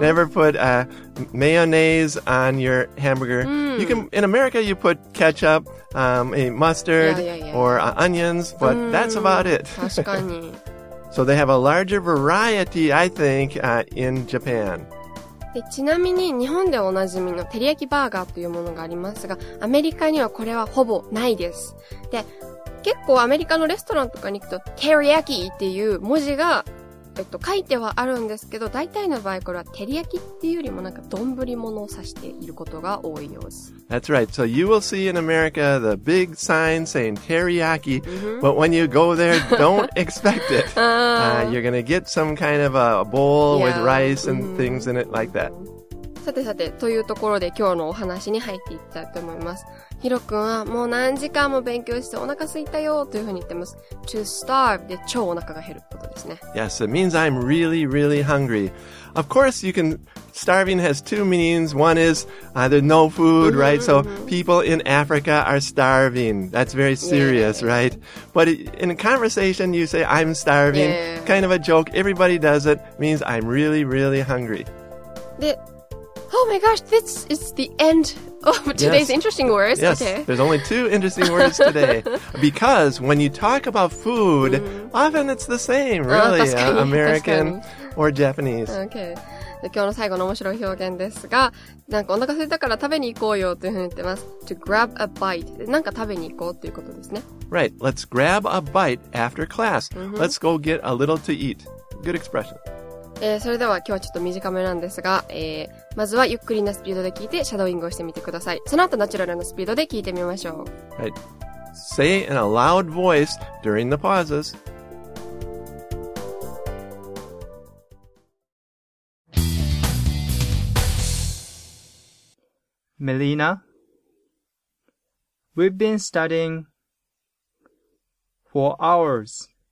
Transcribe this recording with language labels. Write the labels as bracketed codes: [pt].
[en] Never put mayonnaise on your hamburger. You can, in America, you put ketchup, a mustard, or onions, but that's about it. So they have a larger variety, I think, in Japan. [ja] で、ちなみに日本でおなじみのテリヤキバーガーというものがありますが、アメリカにはこれはほぼないです。で、結構アメリカのレストランとかに行くと、テリヤキっていう文字が、書いてはあるんですけど、大体の場合これはテリヤキっていうよりもなんか丼物を指していることが多いようです。 [en] That's right. So you will see in America the big sign saying teriyaki, but when you go there, don't expect it. You're going to get some kind of a bowl with rice and things in it like that. [ja] さてさて、というところで今日のお話に入っていきたいと思います。ヒロ君はもう何時間も勉強してお腹空いたよというふうに言ってます。 [en] To starve [ja] で超お腹が減ることですね。 [en] Yes, it means I'm really, really hungry. Of course, you can... Starving has two meanings. One is there's no food, right? So people in Africa are starving. That's very serious, right? But in a conversation, you say, I'm starving. Kind of a joke. Everybody does it. Means I'm really, really hungry. Oh my gosh, this is the end of today's interesting words. Yes, okay. There's only two interesting words today. Because when you talk about food, often it's the same, really. American or Japanese. Okay. [ja] 今日の最後の面白い表現ですが、なんかお腹空いたから食べに行こうよというふうに言ってます。 [en] To grab a bite. [ja] なんか食べに行こうということですね。 [en] Right. Let's grab a bite after class. Mm-hmm. Let's go get a little to eat. Good expression. [ja] それでは今日はちょっと短めなんですが、まずはゆっくりなスピードで聞いてシャドーイングをしてみてください。その後ナチュラルなスピードで聞いてみましょう。 [en] Right. Say in a loud voice during the pauses. Melina, we've been studying for hours.